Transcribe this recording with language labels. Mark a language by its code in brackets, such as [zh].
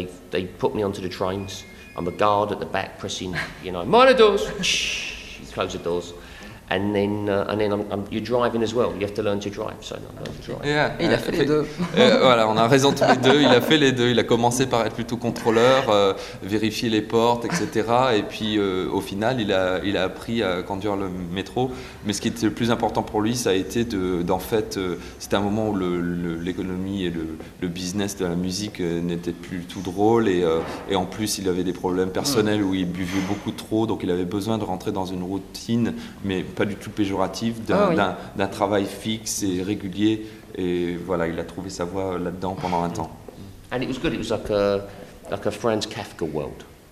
[en] They put me onto the trains. I'm a guard at the back, pressing, you know, mind the doors. Shh, close the doors. And then, you're driving as well. You have to learn to drive. So, I'm learning to drive. Yeah, [fr] il a fait les deux. Voilà, on a raison tous les deux. Il a fait les deux. Il a commencé par être plutôt contrôleur, vérifier les portes, etc. Et puis, au final, il a appris à conduire le métro. Mais ce qui était le plus important pour lui, ça a été c'était un moment où l'économie et le business de la musique n'étaient plus tout drôle. Et en plus, il avait des problèmes personnels où il buvait beaucoup trop. Donc, il avait besoin de rentrer dans une routine. Mais pas du tout péjoratif, d'un travail fixe et régulier, et voilà, il a trouvé sa voie là-dedans pendant un temps. [en] And it was good, it was like a Franz Kafka world.